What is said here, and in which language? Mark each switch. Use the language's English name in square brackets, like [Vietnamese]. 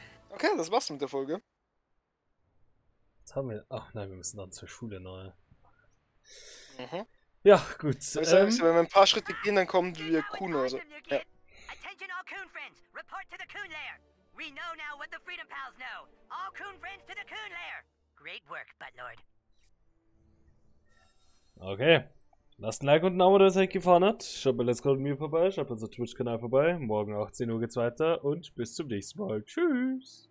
[German] Okay, das war's mit der Folge. Jetzt haben wir... Ach nein, wir müssen dann zur Schule neu. Mhm. Ja, gut. Sag, wenn wir ein paar Schritte gehen, dann kommen wir Kuhn oder so. Ja. [English] Attention all Kuhn friends, report to the Kuhn Lair. We know now what the Freedom Pals know. All Kuhn friends to the Kuhn Lair. Great work, Buttlord. Okay. [German] Lasst ein Like und ein Abo, wenn es euch gefallen hat. Schaut bei Let's Go mit mir vorbei, schaut bei unserem Twitch-Kanal vorbei. Morgen 18 Uhr geht's weiter und bis zum nächsten Mal. Tschüss.